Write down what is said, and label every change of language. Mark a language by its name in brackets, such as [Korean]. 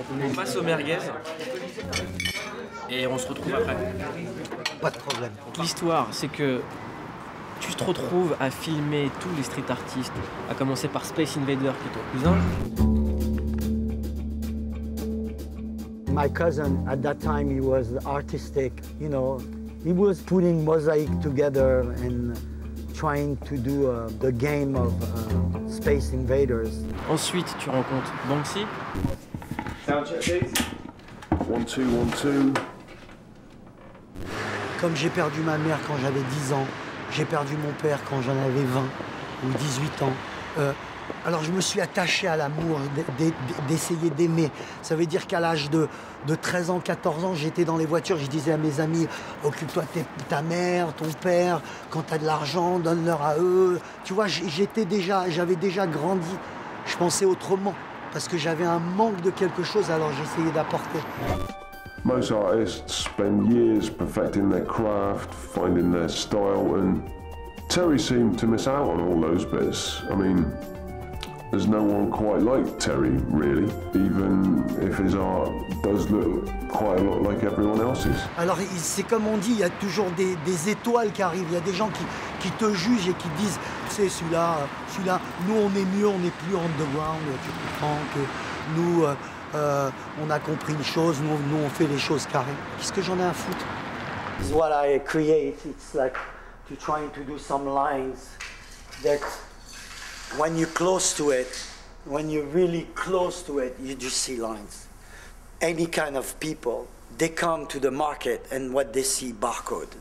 [French] On passe aux merguez et on se retrouve après. Pas de problème. L'histoire, c'est que tu te retrouves à filmer tous les street artistes, à commencer par Space Invader qui est ton cousin. [English] My cousin, at that time, he was artistic, you know. He was putting mosaic together and trying to do the game of Space Invaders. [French] Ensuite, tu rencontres Banksy. [English] Sound check, please. 1, 2, 1, 2. [French] Comme j'ai perdu ma mère quand j'avais 10 ans, j'ai perdu mon père quand j'en avais 20 ou 18 ans. Alors je me suis attaché à l'amour, d'essayer d'aimer. Ça veut dire qu'à l'âge de 13 ans, 14 ans, j'étais dans les voitures, je disais à mes amis, occupe-toi de ta mère, ton père, quand t'as de l'argent, donne-leur à eux. Tu vois, j'avais déjà grandi, je pensais autrement, parce que j'avais un manque de quelque chose, alors j'essayais d'apporter. [English] Most artists spend years perfecting their craft, finding their style, and Terry seemed to miss out on all those bits. I mean, there's no one quite like Terry, really, even if his art does look quite a lot like everyone else's. [French] Alors, c'est comme on dit, il y a toujours des étoiles qui arrivent. Il y a des gens qui te jugent et qui disent, tu sais, celui-là, nous, on est mieux, on n'est plus underground, tu comprends, que nous, on a compris une chose, nous, on fait les choses carrées. Qu'est-ce que j'en ai à foutre? [English] What I create, it's like to trying to do some lines that when you're close to it, when you're really close to it, you just see lines. Any kind of people, they come to the market and what they see, barcode.